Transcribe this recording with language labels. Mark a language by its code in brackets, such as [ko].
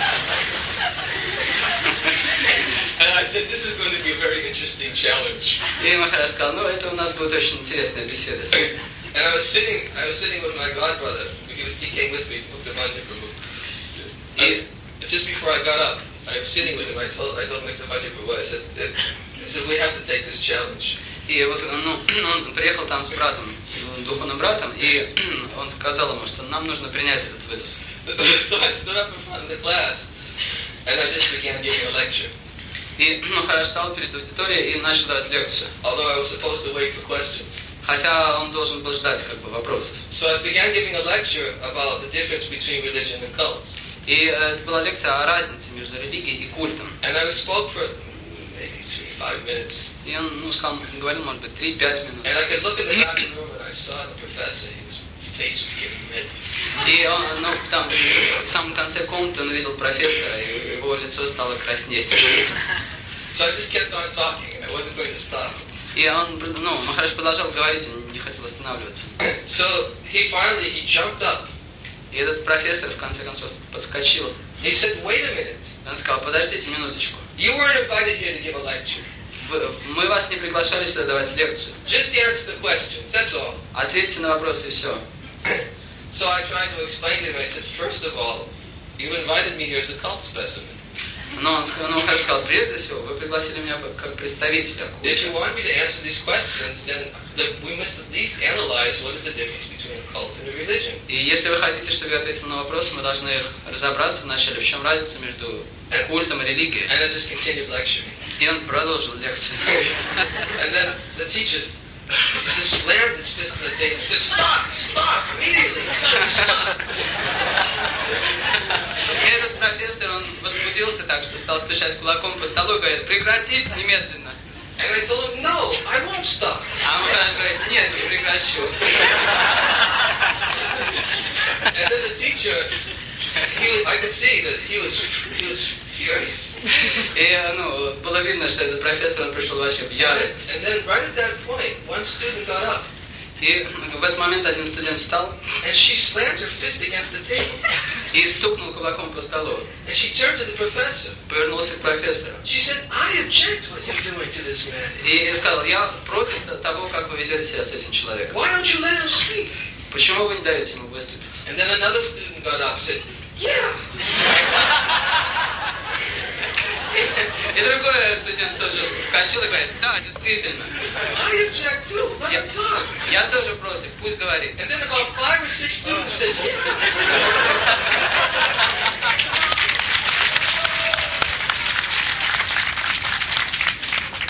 [en] And I said, this is going to be a very interesting challenge. [ru] И Махарадж сказал, ну это у нас будет очень интересная беседа. [en] And I was sitting with my godbrother. He came with me, Muktamanya Prabhu. Just before I got up, I was sitting with him. I told Muktamanya Prabhu. I said, we have to take this challenge. [ru] И вот, ну, он приехал там с братом, духовным братом, и он сказал ему, что нам нужно принять этот вызов. [en] So I stood up in front of the class, and I just began giving a lecture. [ru] И Махарадж стал перед аудиторией и начал давать лекцию. [en] Although I was supposed to wait for questions. [ru] Хотя он должен был ждать как бы вопросов. [en] So I began giving a lecture about the difference between religion and cults. [ru] И это была лекция о разнице между религией и культом. [en] And I spoke for maybe 3-5 minutes. [ru] И он, ну, говорил, может быть, 3-5 минут. [en] And I could look in the back of the room and I saw the professor. His face was getting red. [ru] И он, ну, там в самом конце комнаты он увидел профессора, и его лицо стало краснеть. [en] So I just kept on talking and I wasn't going to stop. [ru] И он, ну, Махарадж продолжал говорить, он не хотел останавливаться. [en] So he finally he jumped up. [ru] И этот профессор в конце концов подскочил. [en] He said, "Wait a minute." [ru] Он сказал, подождите минуточку. [en] You weren't invited here to give a lecture. [ru] Мы вас не приглашали сюда давать лекцию. [en] Just answer the questions. That's all. [ru] Ответьте на вопросы и все. [en] So I tried to explain to him. I said, first of all, you invited me here as a cult specimen. [ru] Но он сказал, прежде всего, вы пригласили меня как представителя культа. [en] If you want me to answer these questions, then we must at least analyze what is the difference between a cult and a religion. [ru] И если вы хотите, чтобы я ответил на вопросы, мы должны их разобраться вначале, в чем разница между культом и религией. [en] And I just continued lecturing. [ru] И он продолжил лекцию. [en] And then the teacher just slammed his fist on the table and said, stop, immediately, stop. [ru] И этот профессор, он возбудился так, что стал стучать кулаком по столу и говорит, прекратить немедленно. [en] And I told him, no, I won't stop. [ru] А он говорит, нет, не прекращу. [en] And then the teacher, I could see that he was furious. [ru] И, ну, было видно, что этот профессор, он пришел вообще в ярость. [en] And then right at that point, one student got up. [ru] И в этот момент один студент встал. [en] And she slammed her fist against the table. [ru] И стукнул кулаком по столу. [en] And she turned to the professor. [ru] Повернулся к профессору. [en] She said, I object what you're doing to this man. [ru] И сказал, я против того, как вы ведете себя с этим человеком. [en] Why don't you let him speak? [ru] Почему вы не даете ему выступить? [en] And then another student got up and said, yeah. [ru] И другой студент тоже вскочил и говорит, да, действительно. [en] I object too. Let him talk. [ru] Я тоже против, пусть говорит. [en] And then about 5 or 6 students said, yeah.